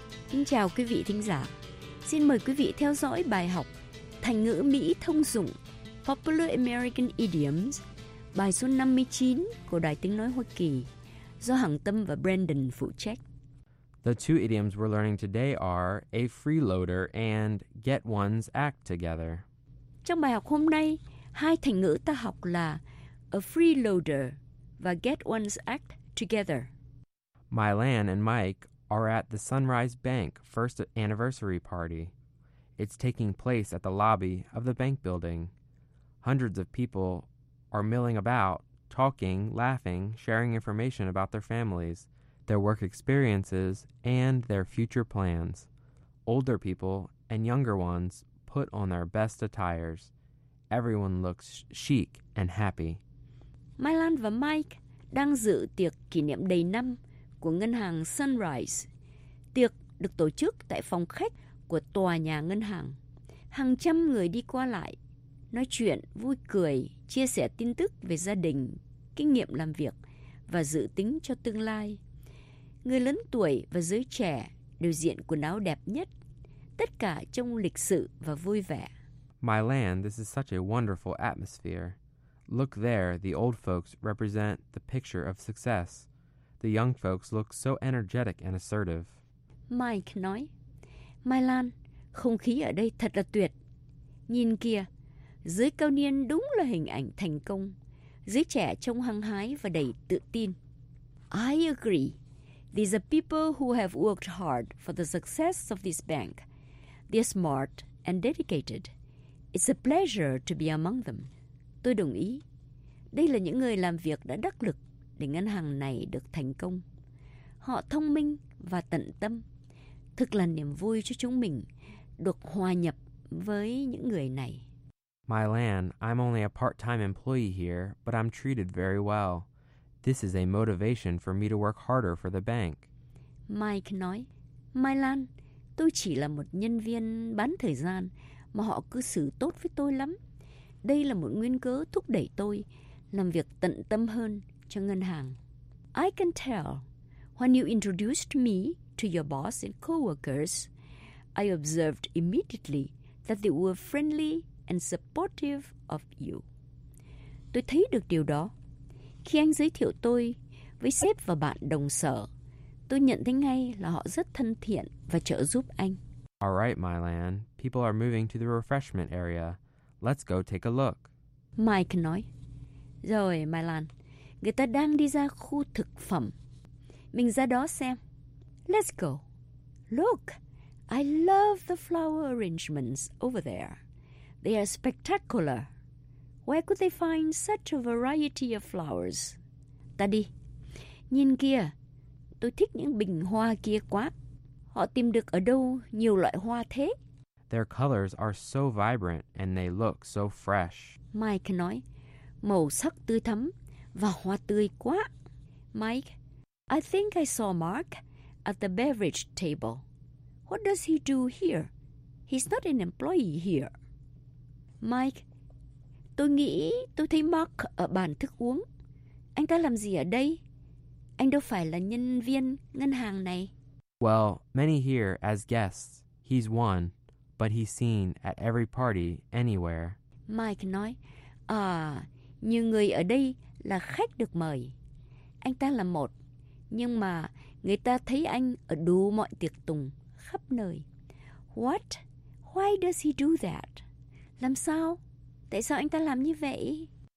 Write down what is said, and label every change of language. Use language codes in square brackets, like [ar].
[vi] Xin chào quý vị thính giả. Xin mời quý vị theo dõi bài học Thành ngữ Mỹ thông dụng Popular American Idioms, bài số 59 của Đài Tiếng Nói Hoa Kỳ, do Hằng Tâm và Brandon phụ trách. [en] The two idioms we're learning today are a freeloader and get one's act together. [vi] Trong bài học hôm nay, hai thành ngữ ta học là [en] a freeloader [vi] và [en] get one's act together. Mylan and Mike are at the Sunrise Bank first anniversary party. It's taking place at the lobby of the bank building. Hundreds of people are milling about, talking, laughing, sharing information about their families. their work experiences, and their future plans. Older people and younger ones put on their best attires. Everyone looks chic and happy. [vi] Mai Lan và Mike đang dự tiệc kỷ niệm đầy năm của ngân hàng Sunrise. Tiệc được tổ chức tại phòng khách của tòa nhà ngân hàng. Hàng trăm người đi qua lại, nói chuyện, vui cười, chia sẻ tin tức về gia đình, kinh nghiệm làm việc và dự tính cho tương lai. Người lớn tuổi và giới trẻ đều diện quần áo đẹp nhất, tất cả trông lịch sự và vui vẻ. [en] My land, this is such a wonderful atmosphere. Look there, the old folks represent the picture of success. The young folks look so energetic and assertive. [vi] Mike nói, My Lan, không khí ở đây thật là tuyệt. Nhìn kìa, giới cao niên đúng là hình ảnh thành công. Giới trẻ trông hăng hái và đầy tự tin. [en] I agree. These are people who have worked hard for the success of this bank. They're smart and dedicated. It's a pleasure to be among them. [vi] Tôi đồng ý. Đây là những người làm việc đã đắc lực để ngân hàng này được thành công. Họ thông minh và tận tâm. Thực là niềm vui cho chúng mình được hòa nhập với những người này. [en] My land, I'm only a part-time employee here, but I'm treated very well. This is a motivation for me to work harder for the bank. [vi] Mike nói, My land, tôi chỉ là một nhân viên bán thời gian mà họ cư xử tốt với tôi lắm. Đây là một nguyên cớ thúc đẩy tôi làm việc tận tâm hơn cho ngân hàng. [en] I can tell when you introduced me to your boss and co-workers, I observed immediately that they were friendly and supportive of you. [vi] Tôi thấy được điều đó. Khi anh giới thiệu tôi với sếp và bạn đồng sở, tôi nhận thấy ngay là họ rất thân thiện và trợ giúp anh. [en] All right, Mylan. People are moving to the refreshment area. Let's go take a look. [vi] Mike nói, Rồi, Mylan, người ta đang đi ra khu thực phẩm. Mình ra đó xem. [en] Let's go. Look, I love the flower arrangements over there. They are spectacular. Where could they find such a variety of flowers? [vi] Ta đi. Nhìn kìa, tôi thích những bình hoa kia quá. Họ tìm được ở đâu nhiều loại hoa thế? [en] Their colors are so vibrant and they look so fresh. [vi] Mike nói, màu sắc tươi thắm và hoa tươi quá. [en] Mike, I think I saw Mark at the beverage table. What does he do here? He's not an employee here. [vi] Mike, tôi nghĩ tôi thấy Mark ở bàn thức uống. Anh ta làm gì ở đây? Anh đâu phải là nhân viên ngân hàng này. [en] Well, many here as guests. He's one, but he's seen at every party anywhere. [vi] Mike nói, à, nhiều người ở đây là khách được mời. Anh ta là một, nhưng mà người ta thấy anh ở đủ mọi tiệc tùng khắp nơi. [en] What? Why does he do that? [vi] Làm sao? Tại sao anh ta làm như vậy?